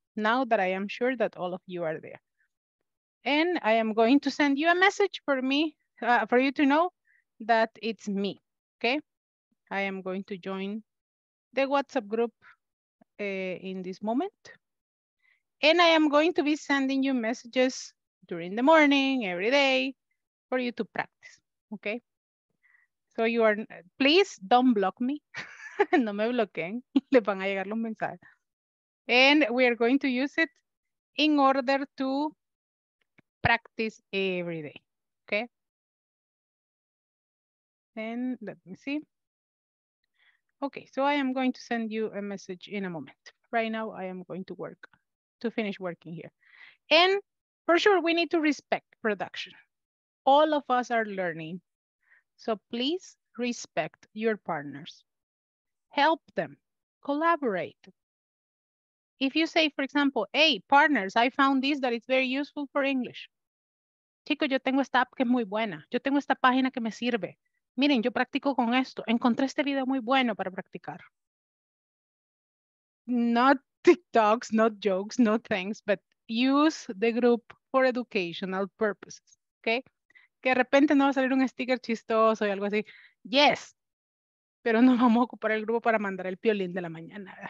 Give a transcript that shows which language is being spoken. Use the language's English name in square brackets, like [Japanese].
[English] Now that I am sure that all of you are there. And I am going to send you a message for me, for you to know that it's me, okay? I am going to join the WhatsApp group in this moment. And I am going to be sending you messages during the morning, every day, for you to practice, okay? So you are, please don't block me. [Spanish] No me bloqueen, le van a llegar los mensajes. [English] And we are going to use it in order to practice every day, okay? And let me see. Okay, so I am going to send you a message in a moment. Right now, I am going to work, to finish working here. And for sure, we need to respect production. All of us are learning. So please respect your partners. Help them, collaborate. If you say, for example, hey, partners, I found this that is very useful for English. [Spanish] Chicos, yo tengo esta app que es muy buena. Yo tengo esta página que me sirve. Miren, yo practico con esto. Encontré este video muy bueno para practicar. [English] Not TikToks, not jokes, no thanks, but use the group for educational purposes, okay? [Spanish] Que de repente no va a salir un sticker chistoso y algo así. Yes, pero no vamos a ocupar el grupo para mandar el piolín de la mañana.